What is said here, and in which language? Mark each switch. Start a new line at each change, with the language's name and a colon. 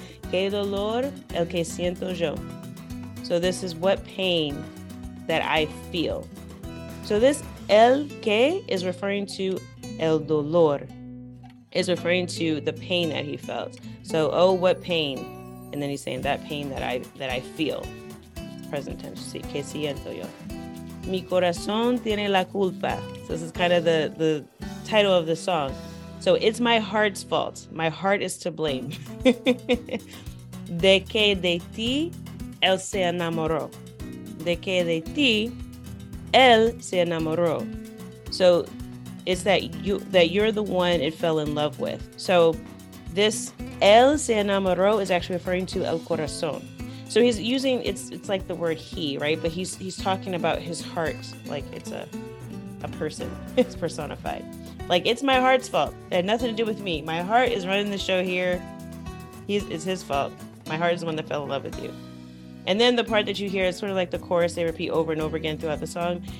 Spanish: Que dolor el que siento yo.
English: So this is what pain that I feel. So this el que is referring to
Spanish: el dolor,
English: is referring to the pain that he felt. So, oh, what pain? And then he's saying that pain that I feel. Present tense,
Spanish: que siento yo. Mi corazón tiene la culpa.
English: So this is kind of the title of the song. So it's my heart's fault. My heart is to blame.
Spanish: De que de ti él se enamoró. De que de ti él se enamoró.
English: So it's that you're the one it fell in love with. So this
Spanish: él se enamoró
English: is actually referring to
Spanish: el corazón.
English: So he's using, it's like the word he, right? But he's talking about his heart, like it's a person. It's personified. Like, it's my heart's fault. It had nothing to do with me. My heart is running the show here. It's his fault. My heart is the one that fell in love with you. And then the part that you hear is sort of like the chorus they repeat over and over again throughout the song.